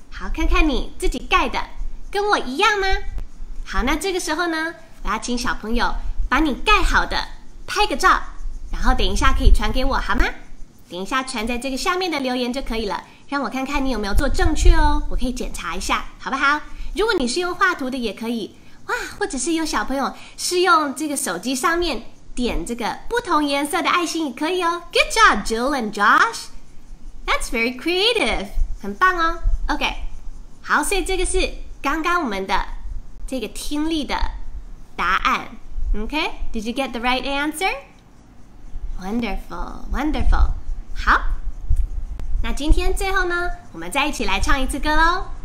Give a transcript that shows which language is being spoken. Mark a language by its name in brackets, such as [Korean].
[Chinese] 好，看看你自己盖的跟我一样吗？好，那这个时候呢，我要请小朋友把你盖好的拍个照，然后等一下可以传给我好吗？等一下传在这个下面的留言就可以了，让我看看你有没有做正确哦，我可以检查一下好不好？如果你是用画图的也可以哇，或者是有小朋友是用这个手机上面点这个不同颜色的爱心也可以哦。 [English] Good job Jill and Josh, That's very creative, [Chinese] 很棒哦。 OK, 好，所以这个是刚刚我们的这个听力的答案。 [English] OK, Did you get the right answer? Wonderful, wonderful. [Chinese] 好，那今天最后呢，我们再一起来唱一次歌咯。